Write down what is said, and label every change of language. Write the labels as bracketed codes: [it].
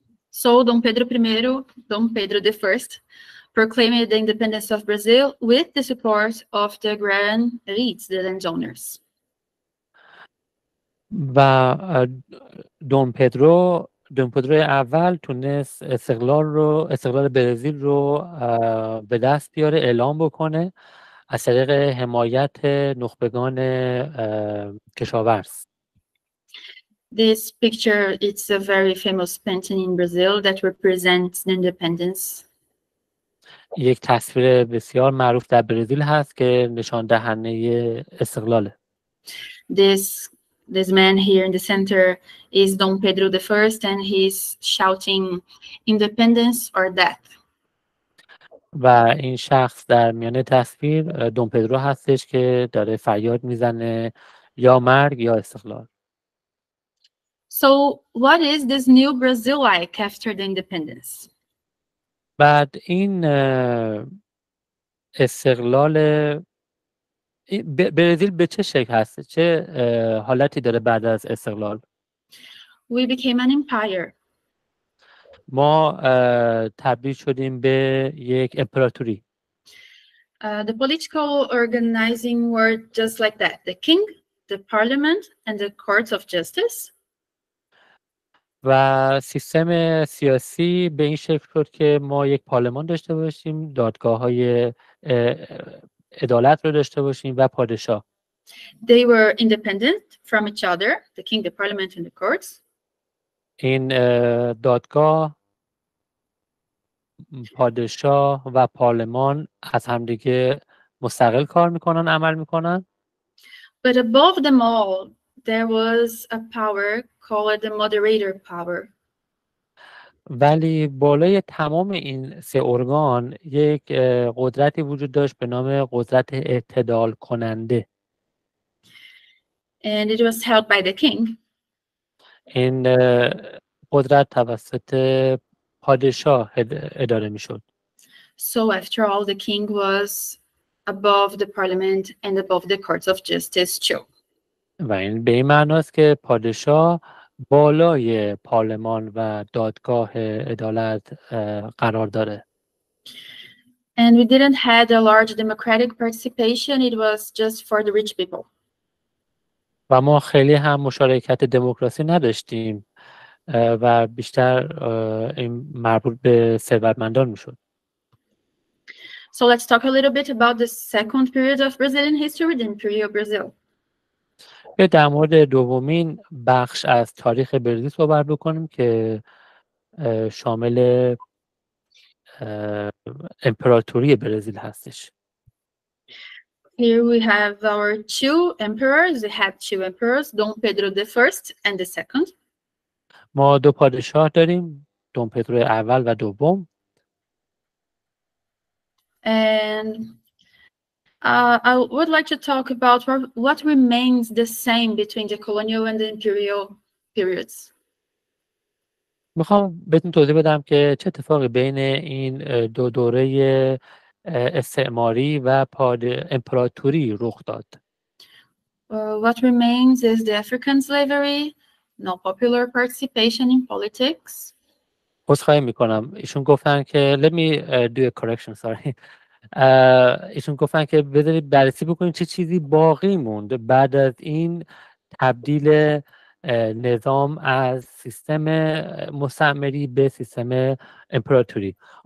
[en] So Dom Pedro I proclaimed the independence of Brazil with the support of the grand elites, the landowners. [fa] و دون پدرو اول تونست استقلال برزیل رو به دست بیاره، اعلام بکنه از طریق حمایت نخبگان کشاورز. [en] This picture, it's a very famous painting in Brazil that represents the independence. [fa] یک تصویر بسیار معروف در برزیل هست که نشان دهنده استقلاله. [en] This man here in the center is Dom Pedro the First and he's shouting independence or death. [fa] و این شخص در میان تصویر دوم پدرو هستش که داره فریاد میزنه یا مرگ یا استقلال. [en] So what is this new Brazil like after the independence? [fa] بعد این استقلال برزیل به چه شکل هست؟ چه حالتی داره بعد از استقلال؟ [en] We became an empire. [fa] ما تبدیل شدیم به یک امپراتوری. [en] The political organizing were just like that. The king, the parliament and the courts of justice. [fa] و سیستم سیاسی به این شکل شد که ما یک پارلمان داشته باشیم، دادگاه های عدالت رو داشته باشیم و پادشاه. [en] They were independent from each other, the king, the parliament and the courts. [fa] این دادگاه، پادشاه و پارلمان از همدیگه مستقل کار میکنن، عمل میکنن. [en] But above them all, there was a power called the moderator power. [fa] ولی بالای تمام این سه ارگان یک قدرتی وجود داشت به نام قدرت اعتدال کننده. [en] And it was held by the king. [fa] این قدرت توسط پادشاه اداره میشد. [en] So after all, the king was above the parliament and above the courts of justice too. [fa] و این به این معناست که پادشاه بالای پارلمان و دادگاه عدالت قرار داره. [en] And we didn't have a large democratic participation. It was just for the rich people. [fa] و ما خیلی هم مشارکت دموکراسی نداشتیم. و بیشتر این مربوط به ثروتمندان میشد. [en] So let's talk a little bit about the second period of Brazilian history, the Imperial Brazil. [fa] یه در مورد دومین بخش از تاریخ برزیل صحبت بکنیم که شامل امپراتوری برزیل هستش. [en] Here we have our two emperors. We have two emperors, Dom Pedro the First and the Second. [fa] ما دو پادشاه داریم، دوم پدرو اول و دوم. [en] And I would like to talk about what remains the same between the colonial and the imperial periods. [fa] میخوام بهتون توضیح بدم که چه اتفاقی بین این دو دوره استعماری و امپراتوری رخ داد. [en] What remains is the African slavery, no popular participation in politics. [fa] عذرخواهی میکنم. ایشون گفتن که [en] let me do a correction, sorry. [fa] ایشون گفتن که بذارید بررسی بکنیم چه چیزی باقی موند بعد از این تبدیل نظام از سیستم مستعمری به سیستم امپراتوری.